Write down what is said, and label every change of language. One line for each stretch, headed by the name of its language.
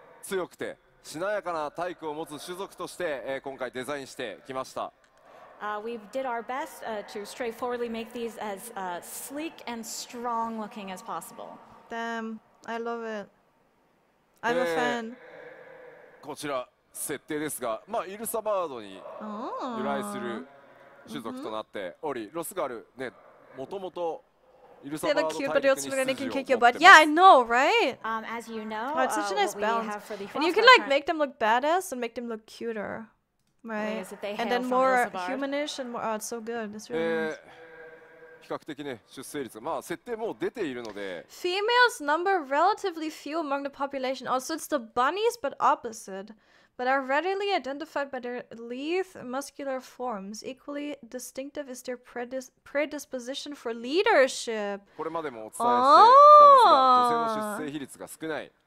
Japanese: 強くてしなやかな体育を持つ種族として、今回デザインしてきました。
English: We did our best to straightforwardly make these as sleek and strong looking as possible. Damn, I love it. I'm a fan.
Japanese: こちら。設定ですが、まあ、イルサバードに由来する種族となっており、ロスガルね、もともと
English: They look cute, but they also look like they can kick your butt. Yeah, I know, right? As you know, oh, it's such a nice balance. And you can like make them look badass and make them look cuter, right? And then more humanish and more. Oh, it's so good. It's really nice.
Japanese: 比較的ね、出生率、まあ設定も出ているので。
English: Females number relatively few among the population. Also, it's the bunnies, but opposite. But are readily identified by their lithe muscular forms. Equally distinctive is their predisposition for leadership.
Japanese: これまでもお伝えしてきたんですが、女性の出生比率が少ない。